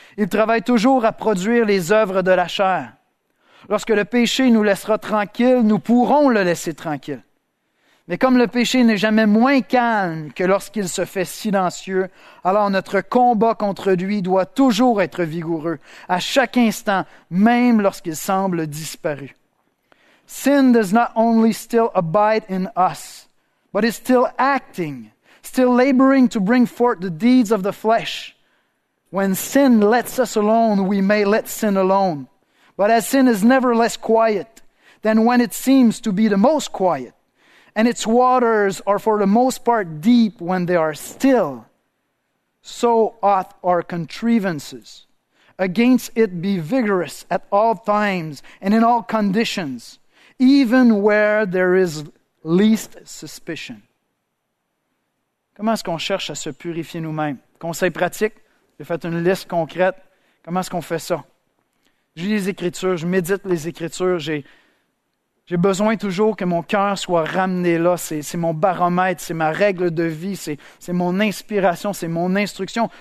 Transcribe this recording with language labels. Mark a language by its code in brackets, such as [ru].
[fr] Il travaille toujours à produire les œuvres de la chair. Lorsque le péché nous laissera tranquille, nous pourrons le laisser tranquille. Mais comme le péché n'est jamais moins calme que lorsqu'il se fait silencieux, alors notre combat contre lui doit toujours être vigoureux, à chaque instant, même lorsqu'il semble disparu. [en] Sin does not only still abide in us, but is still acting. Still laboring to bring forth the deeds of the flesh. When sin lets us alone, we may let sin alone. But as sin is never less quiet than when it seems to be the most quiet, and its waters are for the most part deep when they are still, so ought our contrivances, Against it be vigorous at all times and in all conditions, even where there is least suspicion. [fr] Comment est-ce qu'on cherche à se purifier nous-mêmes? Conseil pratique, j'ai fait une liste concrète. Comment est-ce qu'on fait ça? J'ai les Écritures, je médite les Écritures, j'ai besoin toujours que mon cœur soit ramené là. C'est mon baromètre, c'est ma règle de vie, c'est mon inspiration, c'est mon instruction.